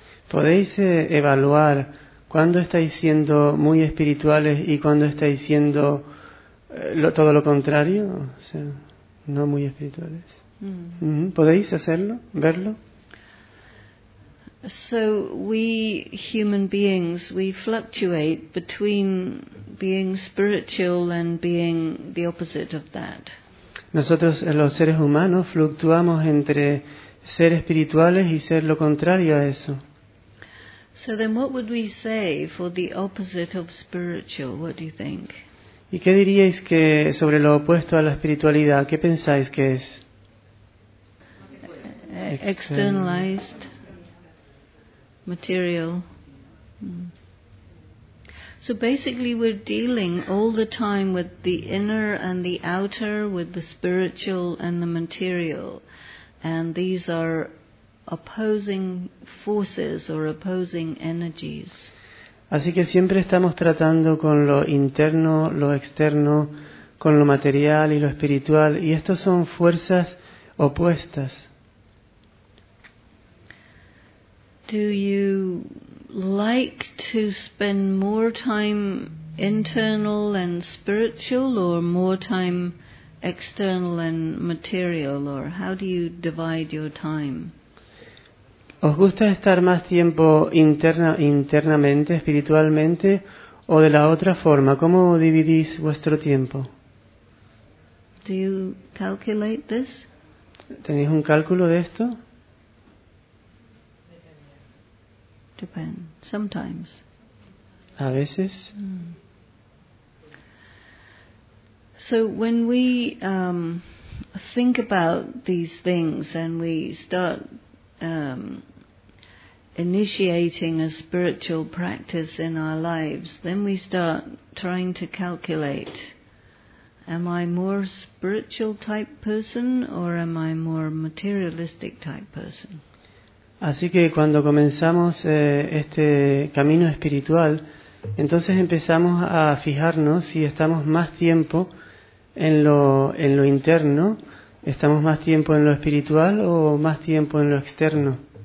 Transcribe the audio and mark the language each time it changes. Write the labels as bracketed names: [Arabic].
[Spanish] ¿Podéis evaluar cuando estáis siendo muy espirituales y cuando estáis siendo todo lo contrario? O sea, no muy espirituales. ¿Podéis hacerlo? ¿Verlo? [English] So we human beings, we fluctuate between being spiritual and being the opposite of that. [Spanish] Nosotros los seres humanos fluctuamos entre ser espirituales y ser lo contrario a eso. [English] So then what would we say for the opposite of spiritual? What do you think? [Spanish] ¿Y qué diríais que sobre lo opuesto a la espiritualidad? ¿Qué pensáis que es? [English] externalized material. So basically we're dealing all the time with the inner and the outer, with the spiritual and the material. And these are opposing forces or opposing energies. [Spanish] Así que siempre estamos tratando con lo interno, lo externo, con lo material y lo espiritual, y estos son fuerzas opuestas. [English] Do you like to spend more time internal and spiritual, or more time external and material, or how do you divide your time? [Spanish] ¿Os gusta estar más tiempo internamente, espiritualmente, o de la otra forma? ¿Cómo dividís vuestro tiempo? [English] Do you calculate this? [Spanish] ¿Tenéis un cálculo de esto? [English] Depend. Sometimes. [Spanish] A veces. [English] So when we think about these things and we start initiating a spiritual practice in our lives, then we start trying to calculate, am I more spiritual type person or am I more materialistic type person? [Spanish] Así que cuando comenzamos este camino espiritual, entonces empezamos a fijarnos si estamos más tiempo en lo interno, estamos más tiempo en lo espiritual o más tiempo en lo externo.